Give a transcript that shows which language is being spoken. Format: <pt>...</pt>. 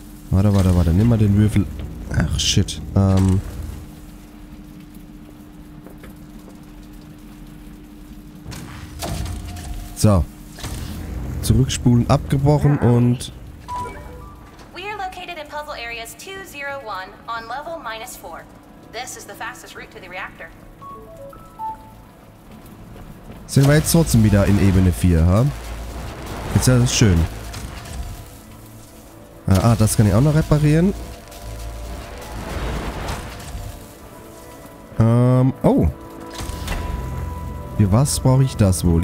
<de>Warte, warte, warte. Nimm mal den Würfel. Ach, shit. So. Zurückspulen abgebrochen und...</de> <en>We are located in puzzle areas 201 on level minus 4. This is the fastest route to the reactor.</en> <de>Sind wir jetzt trotzdem wieder in Ebene 4, ha? Ist ja das schön. Ah, das kann ich auch noch reparieren. Oh. Für was brauche ich das wohl?</de>